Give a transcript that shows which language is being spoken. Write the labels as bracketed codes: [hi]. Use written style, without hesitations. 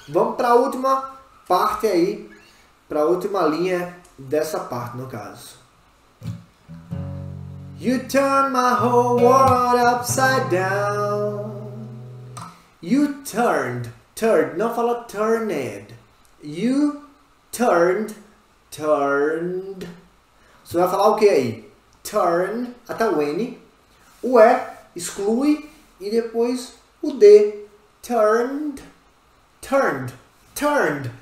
[pt] Vamos para a última parte aí, para a última linha dessa parte, no caso. [en] You turn my whole world upside down. You turned, [pt] não fala [en] turned. You turned, turned. [pt] Você vai falar o quê aí? Turn, até o N. O E, exclui. E depois o D. Turned, turned, turned.